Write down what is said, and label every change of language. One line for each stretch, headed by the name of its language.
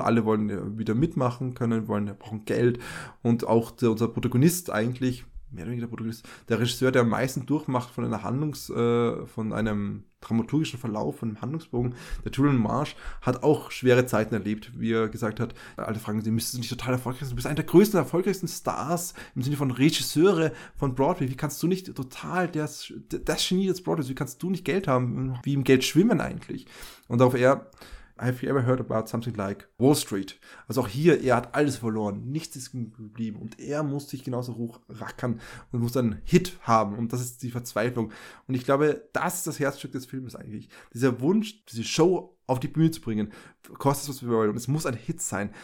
German: Alle wollen ja wieder mitmachen können, wollen ja brauchen Geld. Und auch unser Protagonist eigentlich, mehr oder weniger der Regisseur, der am meisten durchmacht von einer von einem dramaturgischen Verlauf, von einem Handlungsbogen, der Julian Marsh, hat auch schwere Zeiten erlebt, wie er gesagt hat, alle fragen sie, müsstest du nicht total erfolgreich sein, du bist einer der größten, erfolgreichsten Stars im Sinne von Regisseure von Broadway, wie kannst du nicht total das Genie des Broadways, wie kannst du nicht Geld haben, wie im Geld schwimmen eigentlich? Und darauf er,
English: have you ever heard about something like Wall Street?
German: Also auch hier, er hat alles verloren, nichts ist geblieben und er muss sich genauso hochrackern und muss einen Hit haben und das ist die Verzweiflung. Und ich glaube, das ist das Herzstück des Films eigentlich. Dieser Wunsch, diese Show auf die Bühne zu bringen, kostet es, was wir wollen und es muss ein Hit sein.